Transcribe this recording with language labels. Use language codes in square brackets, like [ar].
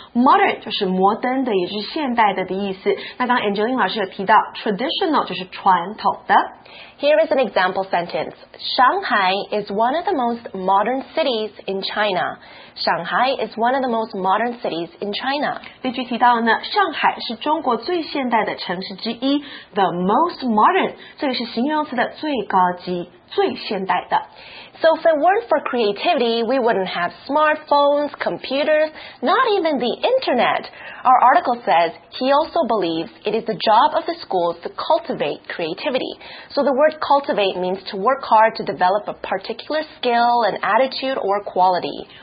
[zh] Modern 就是摩登的，也是现代的的意思。那刚 Angeline 老师有提到 ,traditional 就是传统的。 [en] Here is an example sentence. Shanghai is one of the most modern cities in China. Shanghai is one of the most modern cities in China. [zh] 例句提到呢，上海是中国最现代的城市之一。 [en] The most modern, [zh] 这个是形容词的最高级，最现代的。 [en] So if it weren't for creativity, we wouldn't have smartphones, computers, not even the internet. Our article says he also believes it is the job of the schools to cultivate creativity. So the word cultivate means to work hard to develop a particular skill, an attitude, or quality.